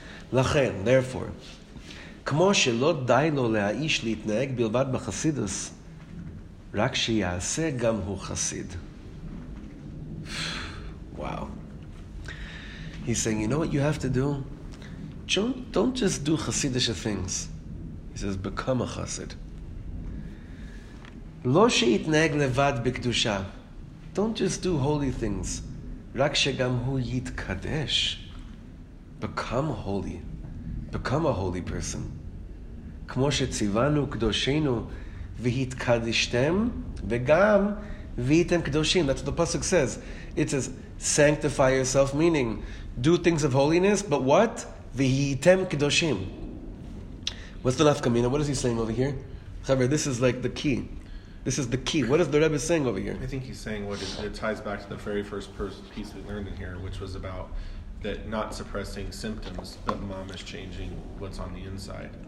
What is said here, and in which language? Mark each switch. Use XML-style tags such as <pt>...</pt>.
<he>Lachen, therefore, כמו שלא די לו להאיש להתנהג בלבד בחסידוס, רק שיעשה גם הוא חסיד.</he> <en>Wow. He's saying, you know what you have to do? Don't just do chasidish things. He says, become a chasid.</en> <he>לא שיתנהג לבד בקדושה.</he> <en>Don't just do holy things.</en> <he>רק שגם הוא יתקדש.</he> <en>Become holy. Become a holy person.</en> <he>כמו שציוונו קדושינו והתקדשתם וגם והייתם קדושים.</he> <en>That's what the pasuk says. It says, sanctify yourself, meaning do things of holiness, but what?</en> <he>והייתם קדושים.</he> <en>What's the nafka mina? What is he saying over here? Chaver, this is like the key. This is the key. What is the Rebbe saying over here? I think he's saying what it ties back to the very first piece we learned in here, which was about that not suppressing symptoms, but mom is changing what's on the inside.</en>